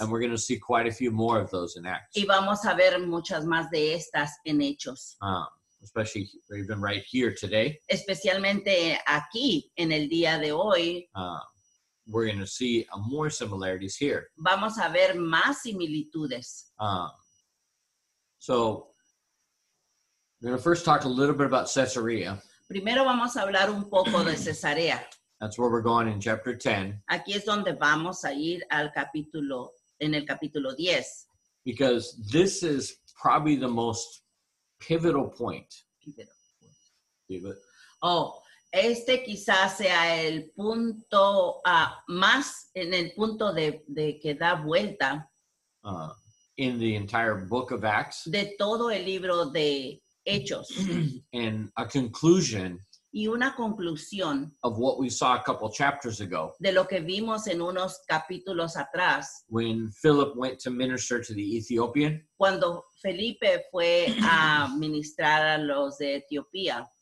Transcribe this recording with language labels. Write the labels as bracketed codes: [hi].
[en] And we're going to see quite a few more of those in Acts. [es] Y vamos a ver muchas más de estas en Hechos. [en] Especially even right here today. [es] Especialmente aquí en el día de hoy. [en] We're going to see more similarities here. [es] Vamos a ver más similitudes. [en] So, we're going to first talk a little bit about Caesarea. [es] Primero vamos a hablar un poco de Cesarea. [en] That's where we're going in chapter 10. [es] Aquí es donde vamos a ir al capítulo, en el capítulo 10. [en] Because this is probably the most pivotal point. [es] Oh, este quizás sea el punto más en el punto de que da vuelta. [en] In the entire book of Acts. [es] De todo el libro de Hechos. [en] And a conclusion. [es] Y una conclusión. [en] Of what we saw a couple chapters ago. [es] De lo que vimos en unos capítulos atrás. [en] When Philip went to minister to the Ethiopian. [es] Cuando Felipe fue a ministrar a los de Etiopía.